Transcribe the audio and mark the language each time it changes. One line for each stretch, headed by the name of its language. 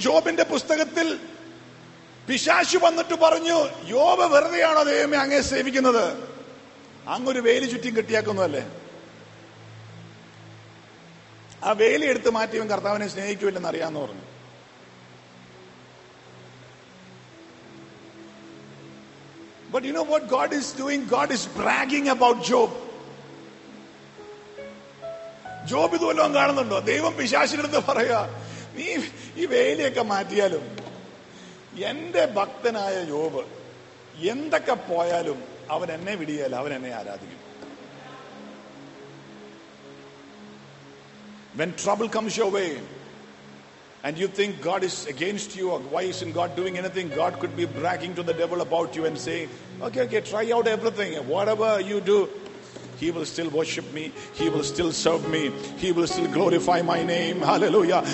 Malayalam: ജോബിന്റെ പുസ്തകത്തിൽ പിശാശു വന്നിട്ട് പറഞ്ഞു, യോബ് വെറുതെയാണോ ദൈവമേ അങ്ങേ സേവിക്കുന്നത്? അങ്ങൊരു വേലി ചുറ്റും കെട്ടിയാക്കുന്നതല്ലേ? ആ വേലി എടുത്ത് മാറ്റിയവൻ കർത്താവിനെ സ്നേഹിക്കൂല്ലെന്ന് അറിയാന്ന് പറഞ്ഞു.
English: But you know what God is doing? God is bragging about Job.
Malayalam: Job ഇതുവല്ലോ കാണുന്നുണ്ടോ? ദൈവം പിശാശിന്റെ അടുത്ത് പറയാ, നീ ഈ വേലിയൊക്കെ മാറ്റിയാലും എന്റെ ഭക്തനായ ജോബ് എന്തൊക്കെ പോയാലും അവൻ എന്നെ വിടിയാലും അവൻ എന്നെ ആരാധിക്കും.
English: When trouble comes your way and you think God is against you, or why isn't God doing anything, God could be bragging to the devil about you and saying, okay, try out everything, whatever you do, He will still worship me. He will still serve me. He will still glorify my name. Hallelujah.